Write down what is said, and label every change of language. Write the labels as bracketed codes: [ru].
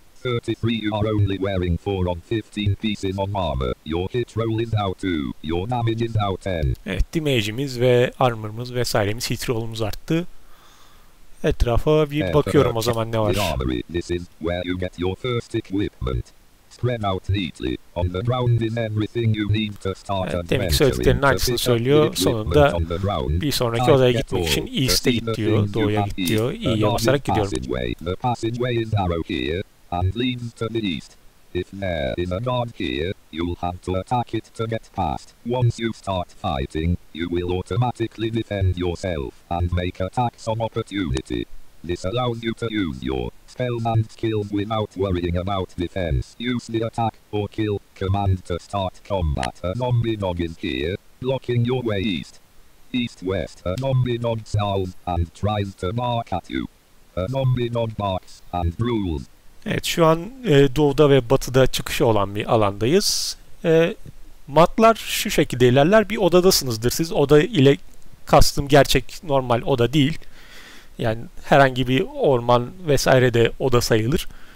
[en] 33, you are only wearing 4 on 15 pieces of armor. Your hit roll is now 2. Your damage is now 10. [tr] Evet, damage'imiz ve armor'ımız vesairemiz, hit roll'umuz arttı. Etrafa bir bakıyorum o zaman ne var. [en] This is where you get your first equipment. Spread out neatly. On the ground is everything you need to start [tr] adventuring. Demek söylediklerinin aynısını söylüyor. Sonunda bir sonraki odaya gitmek için east'e git diyor. Doğuya git diyor. İ'ye basarak gidiyorum. [en] The passageway is arrow here. And leads to the east. If there is a guard here, you'll have to attack it to get past. Once you start fighting, you will automatically defend yourself and make attacks on opportunity. This allows you to use your spells and skills without worrying about defense. Use the attack or kill command to start combat. A zombie dog is here, blocking your way east. East-west, a zombie dog snarls and tries to bark at you. A zombie dog barks and drools. [tr] Evet, şu an doğuda ve batıda çıkışı olan bir alandayız. Matlar şu şekilde ilerler. Bir odadasınızdır siz. Oda ile kastım gerçek normal oda değil. Yani herhangi bir orman vesaire de oda sayılır.